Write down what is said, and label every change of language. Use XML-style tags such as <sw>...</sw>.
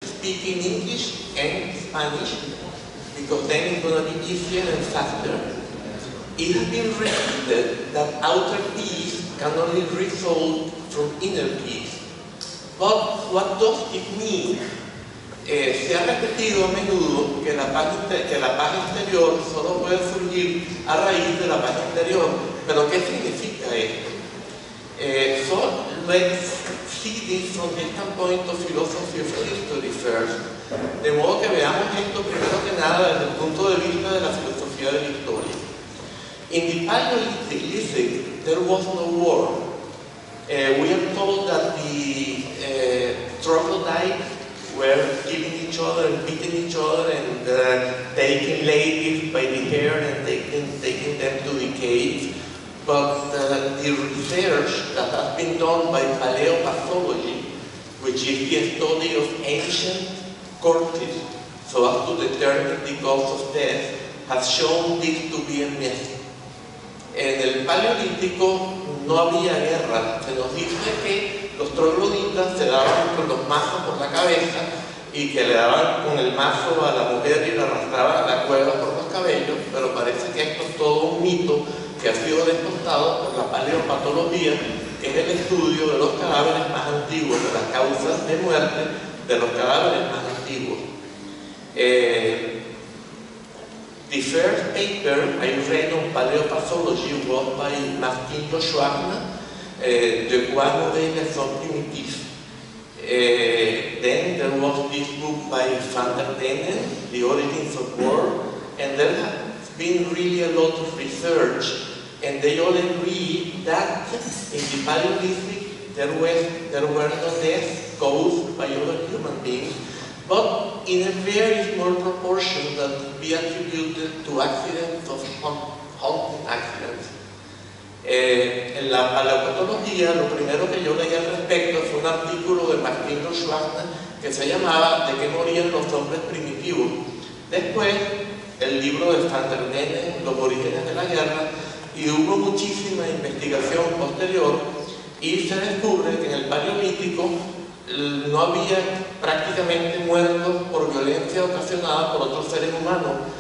<en>it in English and Spanish, because then it's going to be easier and faster. It has been repeated that outer peace can only result from inner peace. But what does it mean?</en> <es>Se ha repetido a menudo que la paz exterior solo puede surgir a raíz de la paz interior. ¿Pero qué significa esto?</es> <en>So let's see this from the standpoint of philosophy of history first.</en> <es>De modo que veamos esto primero que nada desde el punto de vista de la filosofía de la historia.</es> <en>In the Paleolithic, there was no war. We are told that the troglodytes were killing each other and beating each other and taking ladies by the hair and taking them to the caves. But the research that has been done by paleopathology, which is the study of ancient corpses, so as to determine the cause of death, has shown this to be a myth.</en> <es>En el Paleolítico no había guerra. Se nos dice que los trogloditas se daban con los mazos por la cabeza y que le daban con el mazo a la mujer y la arrastraban a la cueva por los cabellos, pero parece que esto es todo un mito que ha sido descontado por la paleopatología, que es el estudio de los cadáveres más antiguos, de las causas de muerte de los cadáveres más antiguos.</es> <en>The first paper I read on paleopathology was by Martino Schwagner, the Guano de Nelson Primitif. Then there was this book by Van der Denen, The Origins of War, and there has been really a lot of research, and they all agree that in the Paleolithic there were no deaths caused by other human beings, but in a very small proportion that be attributed to accidents of hunting accidents.</en> <es>En la paleopatología, lo primero que yo leí al respecto fue un artículo de Martino Schwagner que se llamaba ¿De qué morían los hombres primitivos? Después, el libro de Van der Denen, Los orígenes de la guerra, y hubo muchísima investigación posterior y se descubre que en el Paleolítico no había prácticamente muertos por violencia ocasionada por otros seres humanos.</es>